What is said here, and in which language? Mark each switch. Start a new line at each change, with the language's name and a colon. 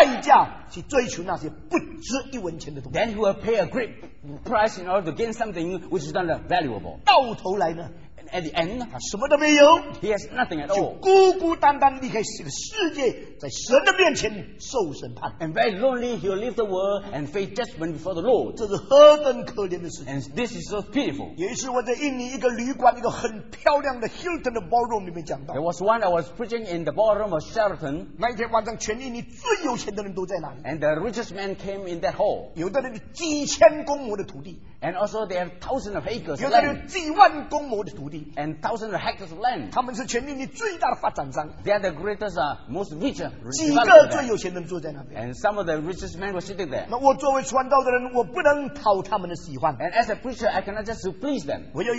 Chinese: 他就花上许多伟大的代价去追求那些不值一文钱的东西
English: then he will pay a great price in order to gain something which is not valuable
Chinese: 到头来呢
English: At the end,
Chinese: 他什么都没有,
English: he has nothing at all.
Chinese: 就孤孤单单离开世界，在神的面前受审判。
English: And very lonely, he will leave the world and face judgment before the Lord.
Chinese: 这是何等可怜的事情。
English: And this is so pitiful.
Chinese: 也是我在印尼一个旅馆，一个很漂亮的 Hilton 的 ballroom 里面讲到。
English: There was one I was preaching in the ballroom of Sheraton.
Chinese: 那一天晚上，全印尼最有钱的人都在那里。
English: And the richest man came in that hall.
Chinese: 有的人几千公亩的土地。
English: And also they have thousands of acres of land.
Chinese: 有的人几万公亩的土地。
English: And thousands of hectares of land.
Chinese: 他们是全印尼最大的发展商。
English: They are the greatest, most rich developers.
Chinese: 几个最有钱人坐在那边。
English: And some of the richest men were sitting there.
Chinese: 那我作为传道的人，我不能讨他们的喜欢。
English: And as a preacher, I cannot just please them.